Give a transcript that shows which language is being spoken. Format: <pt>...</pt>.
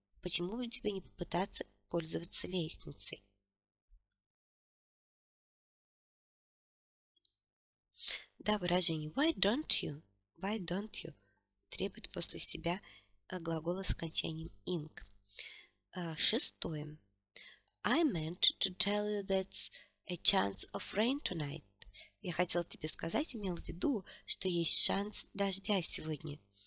<ru>Почему бы тебе не попытаться пользоваться лестницей? Да, выражение</ru> <en>why don't you? Why don't you?</en> <ru>Требует после себя глагола с окончанием ing. Шестое.</ru> <en>I meant to tell you that's a chance of rain tonight.</en> <ru>Я хотела тебе сказать, имел в виду, что есть шанс дождя сегодня.</ru>